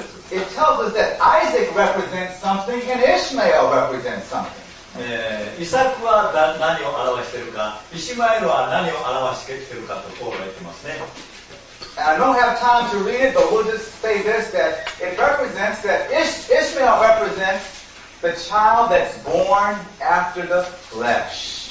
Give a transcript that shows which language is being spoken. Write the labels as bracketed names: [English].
[English] It tells us that Isaac represents something and Ishmael represents something. [Japanese] イサクは何を表しているか、イシマエルは何を表しているかとこう書いてますね。 [English] I don't have time to read it, but we'll just say this, that it represents that Ishmael represents the child that's born after the flesh.